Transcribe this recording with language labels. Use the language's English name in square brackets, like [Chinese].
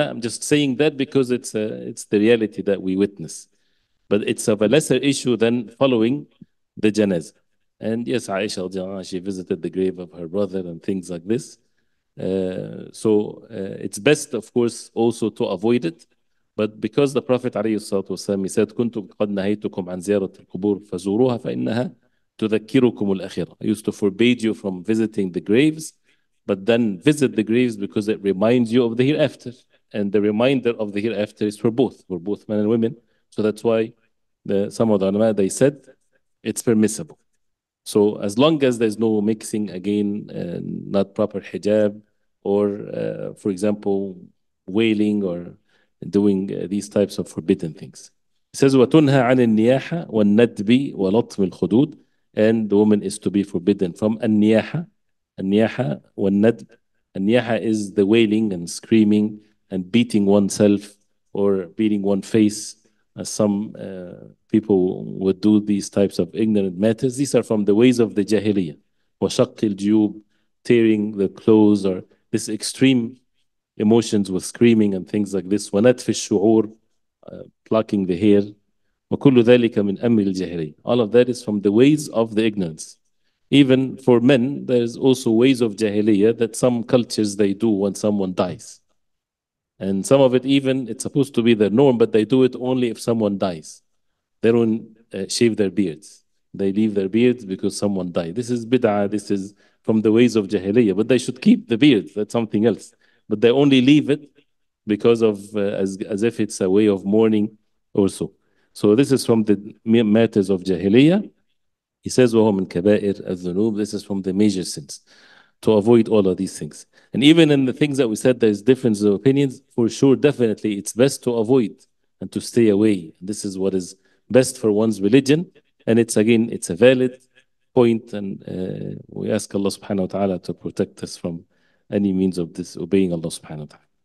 [English] I'm just saying that because it's the reality that we witness. But it's of a lesser issue than following the janazah. And yes, Aisha, she visited the grave of her brother and things like this. It's best, of course, also to avoid it. But because the Prophet [Arabic] والسلام, [English] he said, [Arabic] كنتم قد نهيتكم عن زيارة القبور فزوروها فإنها تذكركم الأخيرة. [English] I used to forbid you from visiting the graves, but then visit the graves because it reminds you of the hereafter. And the reminder of the hereafter is for both men and women. So that's why some of the ulama, they said, it's permissible. So as long as there's no mixing, again, not proper hijab, or for example, wailing or doing these types of forbidden things. It says, [Arabic] وَتُنْهَى عَنِ النِّيَاحَةِ وَالنَّدْبِ وَلَطْمِ الْخُدُودِ. [English] And the woman is to be forbidden from النِّيَاحَةِ. [Arabic] النِّيَاحَةِ وَالنَّدْبِ. [English] النِّيَاحَةِ is the wailing and screaming and beating oneself or beating one face, as some people would do these types of ignorant matters. These are from the ways of the jahiliyyah. [Arabic] وَشَقِّ الْجُيُوبِ, [English] tearing the clothes, or this extreme emotions with screaming and things like this. [Arabic] وَنَتْفِ الشُّعُورِ, [English] plucking the hair. [Arabic] وَكُلُّ ذَلِكَ مِنْ أَمْرِ الْجَهْرِ. [English] All of that is from the ways of the ignorance. Even for men, there's also ways of jahiliyyah that some cultures they do when someone dies. And some of it even, it's supposed to be the norm, but they do it only if someone dies. They don't shave their beards. They leave their beards because someone died. This is bid'ah, this is from the ways of jahiliyyah. But they should keep the beard, that's something else. But they only leave it because of, as if it's a way of mourning also. So this is from the matters of jahiliyyah. He says, [Arabic] وَهُمْ مِنْ كَبَائِرِ الذُّنُوبِ. [English] This is from the major sins, to avoid all of these things. And even in the things that we said, there's difference of opinions, for sure, definitely, it's best to avoid and to stay away. This is what is best for one's religion. And it's, again, it's a valid point. And we ask Allah subhanahu wa ta'ala to protect us from any means of disobeying Allah subhanahu wa ta'ala.